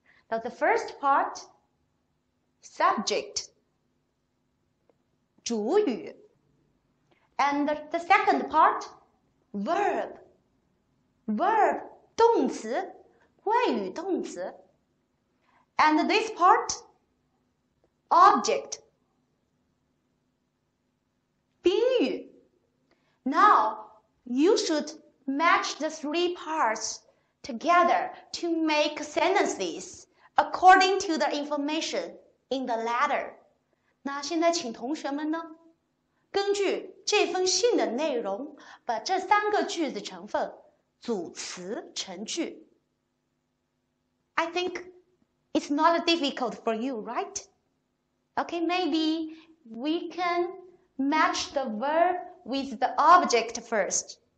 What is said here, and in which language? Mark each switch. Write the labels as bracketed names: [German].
[English] Now the first part, subject, 主语, and the second part, verb, 动词, 谓语动词, and this part, object, 宾语. Now, you should match the three parts together to make sentences according to the information in the letter. [Chinese] 那现在请同学们呢, 根据这封信的内容, 把这三个句子成分, 组词成句。 [English] I think it's not difficult for you, right? Okay, maybe we can match the verb with the object first.